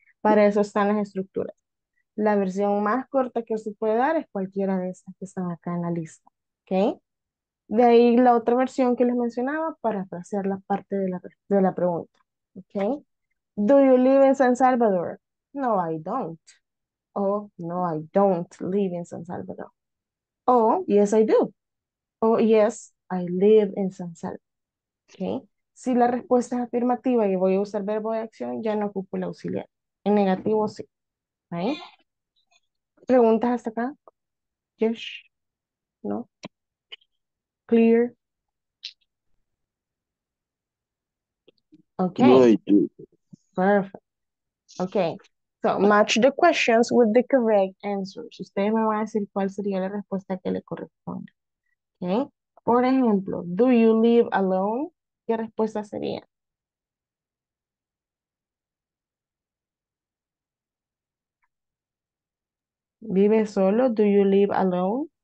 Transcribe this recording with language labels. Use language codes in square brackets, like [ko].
[es] Para eso están las estructuras. La versión más corta que se puede dar es cualquiera de estas que están acá en la lista, ¿ok? De ahí la otra versión que les mencionaba para hacer la parte de la pregunta, ¿ok? [en] Do you live in San Salvador? No, I don't. Oh, no, I don't live in San Salvador. Oh, yes, I do. Oh, yes, I live in San Salvador. Okay. [es] Si la respuesta es afirmativa y voy a usar verbo de acción, ya no ocupo el auxiliar. En negativo, sí. Okay. ¿Preguntas hasta acá? [en] Yes. No. Clear. Okay. No, I do. Perfect. Okay. So, match the questions with the correct answers. [es] Ustedes me van a decir cuál sería la respuesta que le corresponde. Okay? Por ejemplo, [en] do you live alone? [es] ¿Qué respuesta sería? ¿Vive solo? [en] Do you live alone?